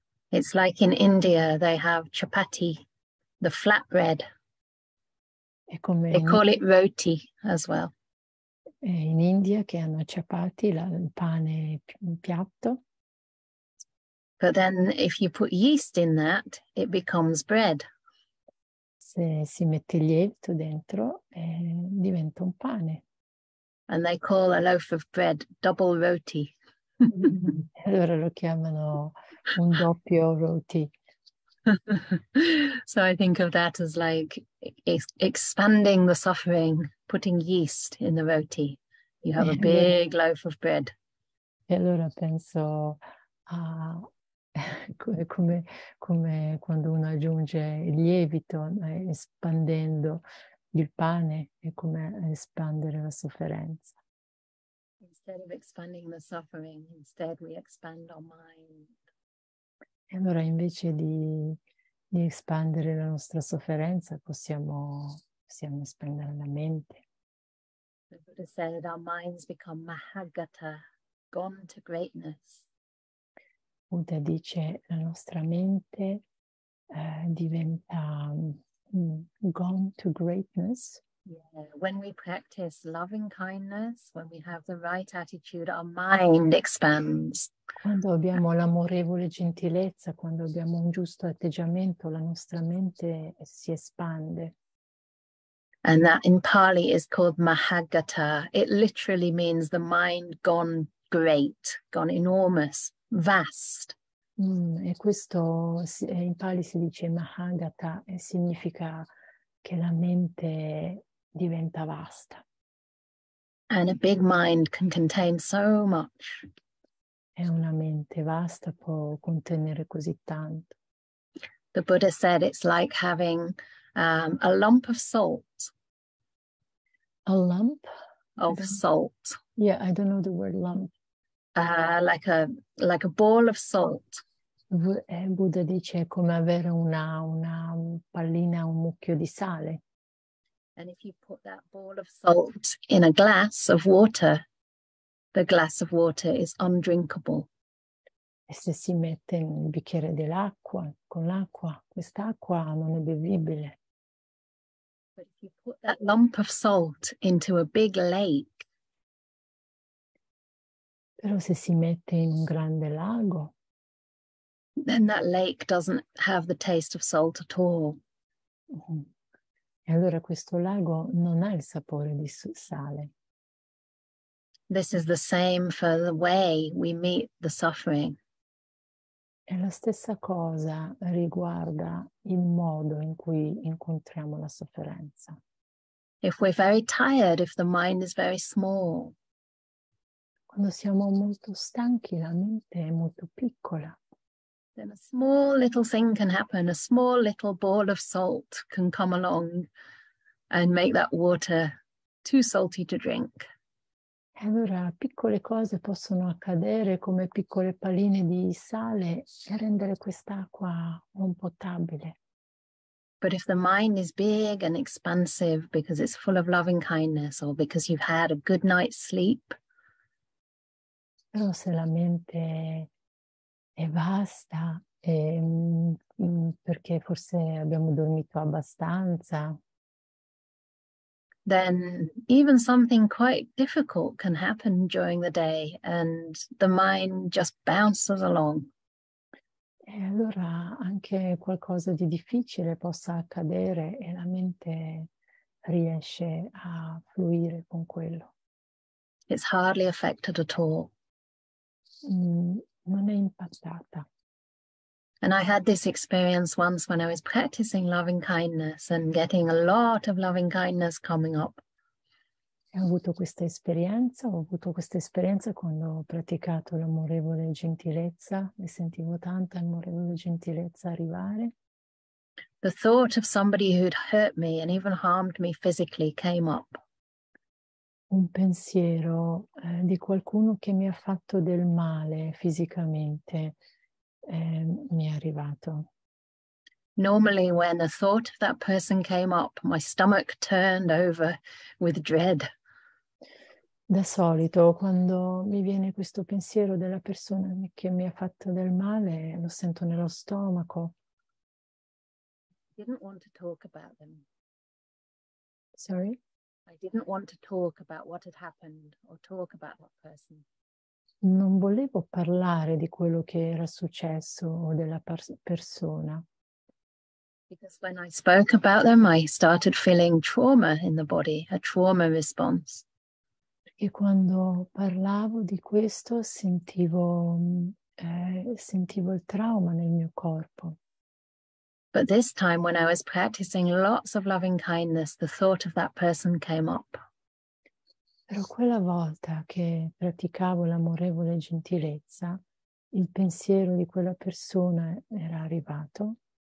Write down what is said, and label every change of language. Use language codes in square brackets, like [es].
[en] It's like in India they have chapati, the flatbread. They call it roti as well. [it] E in India che hanno chapati, il pane piatto. [en] But then if you put yeast in that, it becomes bread. [it] Se si mette lievito dentro, diventa un pane. [en] And they call a loaf of bread double roti. [it] Allora lo chiamano un doppio roti. [en] So I think of that as like expanding the suffering, putting yeast in the roti. You have a big loaf of bread. [it] E allora penso a come quando uno aggiunge il lievito, espandendo il pane, è come espandere la sofferenza. [en] Instead of expanding the suffering, instead we expand our mind. [it] E allora invece di espandere la nostra sofferenza, possiamo espandere la mente. [en] The Buddha said our minds become mahagata, gone to greatness. [it] Buddha dice la nostra mente diventa [en] gone to greatness. Yeah. When we practice loving kindness, when we have the right attitude, our mind expands. [it] Quando abbiamo l'amorevole gentilezza, quando abbiamo un giusto atteggiamento, la nostra mente si espande. [en] And that in Pali is called mahagata. It literally means the mind gone great, gone enormous, vast. [it] E questo in Pali si dice mahagata e significa che la mente diventa vasta. [en] And a big mind can contain so much. [it] E una mente vasta può contenere così tanto. [en] The Buddha said it's like having a lump of salt. A lump? Of salt. Yeah, I don't know the word lump. Like a ball of salt. [it] Buddha dice come avere una pallina, un mucchio di sale. [en] And if you put that ball of salt in a glass of water, the glass of water is undrinkable. [it] E se si mette in un bicchiere dell'acqua, con l'acqua, quest'acqua non è bevibile. [en] But if you put that lump of salt into a big lake, [it] però se si mette in un grande lago, [en] then that lake doesn't have the taste of salt at all. [it] E allora questo lago non ha il sapore di sale. [en] This is the same for the way we meet the suffering. [it] E la stessa cosa riguarda il modo in cui incontriamo la sofferenza. [en] If we're very tired, if the mind is very small. [it] Quando siamo molto stanchi, la mente è molto piccola. [en] Then a small little thing can happen, a small little ball of salt can come along and make that water too salty to drink. [it] E allora piccole cose possono accadere come piccole palline di sale e rendere quest'acqua un po' potabile. [en] But if the mind is big and expansive because it's full of loving kindness or because you've had a good night's sleep. [it] Però se la mente è vasta perché forse abbiamo dormito abbastanza. [en] Then even something quite difficult can happen during the day and the mind just bounces along. [it] E allora anche qualcosa di difficile possa accadere e la mente riesce a fluire con quello. [en] It's hardly affected at all. [it] Non è impattata. [en] And I had this experience once when I was practicing loving kindness and getting a lot of loving kindness coming up. [it] Ho avuto questa esperienza quando ho praticato l'amorevole gentilezza e sentivo tanta amorevole gentilezza arrivare. [en] The thought of somebody who'd hurt me and even harmed me physically came up. [it] Un pensiero di qualcuno che mi ha fatto del male fisicamente mi è arrivato. [en] Normally when the thought of that person came up, my stomach turned over with dread. [it] Da solito quando mi viene questo pensiero della persona che mi ha fatto del male, lo sento nello stomaco. [en] Didn't want to talk about them. Sorry? I didn't want to talk about what had happened or talk about that person. [it] non volevo parlare di quello che era successo o della persona. [en] Because when I spoke about them, I started feeling trauma in the body, a trauma response. [it] E quando parlavo di questo sentivo il trauma nel mio corpo. [en] But this time, when I was practicing lots of loving kindness, the thought of that person came up. [it] Però quella volta che praticavo l'amorevole gentilezza, il pensiero di quella persona era arrivato.